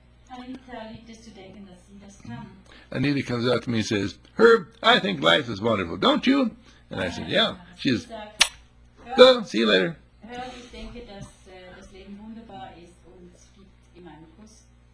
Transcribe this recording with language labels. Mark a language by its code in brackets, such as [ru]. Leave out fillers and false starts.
[de] Anita liebt es zu denken, dass sie das kann. [en] Anita comes out to me and says, Herb, I think life is wonderful, don't you? And I said, yeah. She says, go, see you later. [de] Herb, ich denke, dass das Leben wunderbar ist und es gibt ihm einen Kuss.